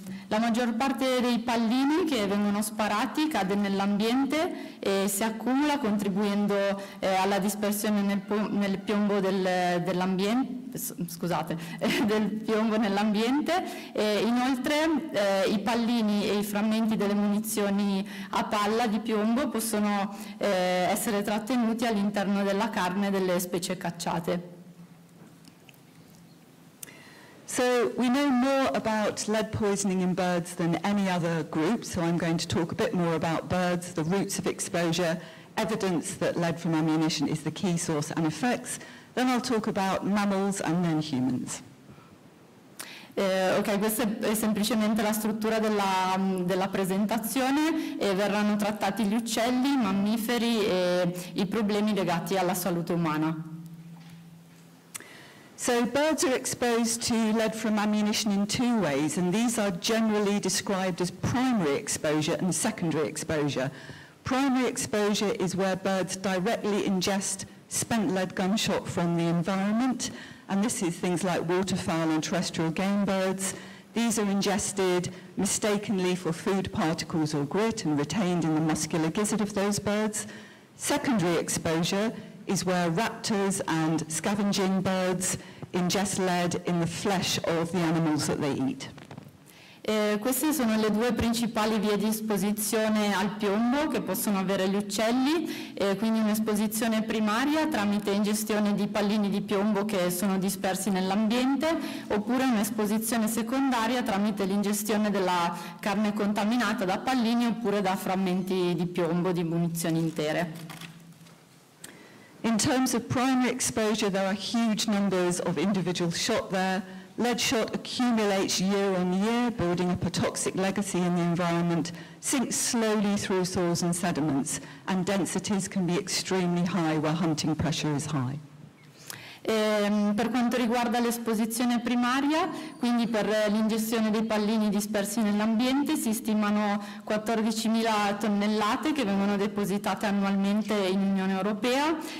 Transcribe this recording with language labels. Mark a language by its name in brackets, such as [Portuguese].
[Italian] La maggior parte dei pallini che vengono sparati cade nell'ambiente e si accumula, contribuendo alla dispersione nel piombo del piombo nell'ambiente. E inoltre i pallini e i frammenti delle munizioni a palla di piombo possono essere trattenuti all'interno della carne delle specie cacciate. [English] So we know more about lead poisoning in birds than any other group, so I'm going to talk a bit more about birds, the routes of exposure, evidence that lead from ammunition is the key source and effects. Then I'll talk about mammals and then humans. [Italian] Ok, questa è semplicemente la struttura della presentazione, e verranno trattati gli uccelli, i mammiferi e i problemi legati alla salute umana. [English] So birds are exposed to lead from ammunition in two ways, and these are generally described as primary exposure and secondary exposure. Primary exposure is where birds directly ingest spent lead gunshot from the environment, and this is things like waterfowl and terrestrial game birds. These are ingested mistakenly for food particles or grit and retained in the muscular gizzard of those birds. Secondary exposure is where raptors and scavenging birds ingest lead in the flesh of the animals that they eat. [Italian] Queste sono le due principali vie di esposizione al piombo che possono avere gli uccelli, quindi un'esposizione primaria tramite ingestione di pallini di piombo che sono dispersi nell'ambiente, oppure un'esposizione secondaria tramite l'ingestione della carne contaminata da pallini oppure da frammenti di piombo di munizioni intere. [English] In terms of primary exposure, there are huge numbers of individuals shot there. Lead shot accumulates year on year, building up a toxic legacy in the environment, sinks slowly through soils and sediments, and densities can be extremely high where hunting pressure is high. [Italian] Per quanto riguarda l'esposizione primaria, quindi per l'ingestione dei pallini dispersi nell'ambiente, si stimano 14.000 tonnellate che vengono depositate annualmente in Unione Europea.